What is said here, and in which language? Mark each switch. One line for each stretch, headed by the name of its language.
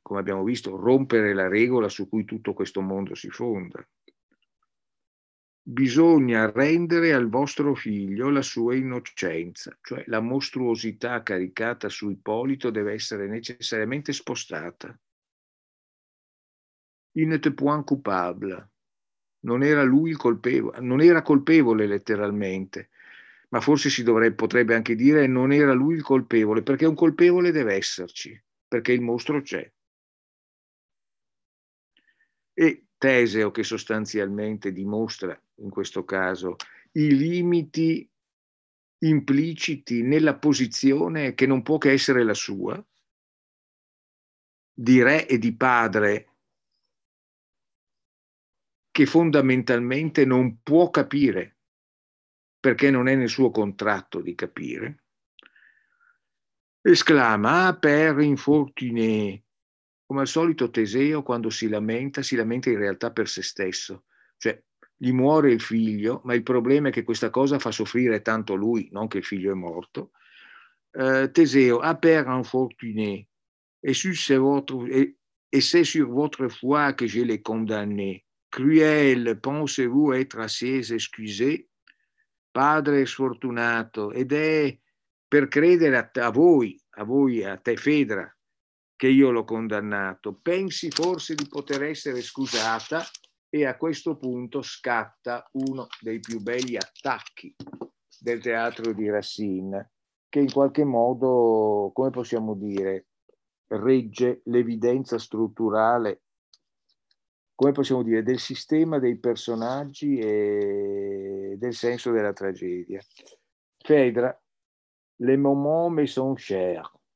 Italian: Come abbiamo visto, rompere la regola su cui tutto questo mondo si fonda. Bisogna rendere al vostro figlio la sua innocenza, cioè la mostruosità caricata su Ippolito deve essere necessariamente spostata.
French: Il n'était point coupable.
Italian: Non era lui il colpevole, non era colpevole letteralmente, ma forse si dovrebbe, potrebbe anche dire non era lui il colpevole, perché un colpevole deve esserci, perché il mostro c'è. E Teseo, che sostanzialmente dimostra in questo caso i limiti impliciti nella posizione che non può che essere la sua, di re e di padre, che fondamentalmente non può capire, perché non è nel suo contratto di capire, esclama:
French: ah, per infortuné.
Italian: Come al solito Teseo, quando si lamenta in realtà per se stesso. Cioè, gli muore il figlio, ma il problema è che questa cosa fa soffrire tanto lui, non che il figlio è morto.
French: Teseo, ah, per infortuné, et c'est sur votre foi que je l'ai condamné. Cruel, pensez-vous être assez excusé?
Italian: Padre sfortunato, ed è per credere a voi, a te Fedra, che io l'ho condannato. Pensi forse di poter essere scusata? E a questo punto scatta uno dei più belli attacchi del teatro di Racine, che in qualche modo, come possiamo dire, regge l'evidenza strutturale. Come possiamo dire, del sistema dei personaggi e del senso della tragedia.
French: Phèdre, les moments me sont chers.